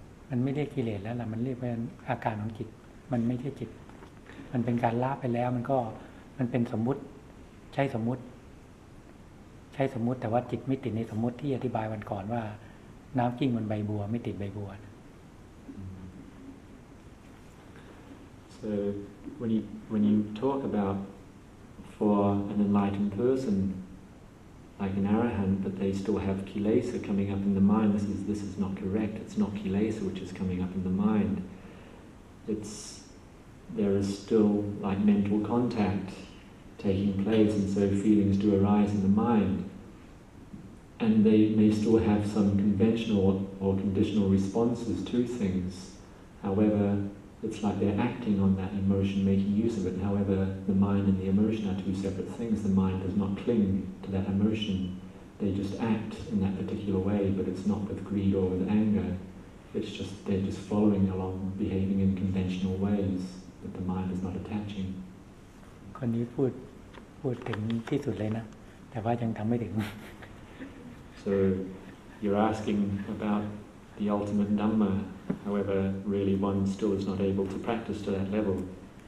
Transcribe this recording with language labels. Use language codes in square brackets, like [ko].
[th] มันไม่เรียกกิเลสแล้วล่ะมันเรียกเป็นอาการของจิตมันไม่ใช่จิตมันเป็นการละไปแล้วมันเป็นสมมุติใช้สมมุติแต่ว่าจิตไม่ติดในสมมุติที่อธิบายวันก่อนว่าน้ำกิ้งบนใบบัวไม่ติดใบบัว [en] So when you talk about for an enlightened person like an arahant, but they still have kilesa coming up in the mind. This is not correct. It's not kilesa which is coming up in the mind. There is still like mental contact taking place, and so feelings do arise in the mind. And they may still have some conventional or conditional responses to things. However, it's like they're acting on that emotion, making use of it. However, the mind and the emotion are two separate things. The mind does not clingto that emotion, they just act in that particular way, but it's not with greed or with anger. It's just, they're just following along, behaving in conventional ways that the mind is not attaching. [th] คนนี้พูดถึงที่สุดเลยนะแต่ว่ายังทำไม่ถึง [en] So, you're asking about the ultimate Dhamma. However, really one still is not able to practice to that level.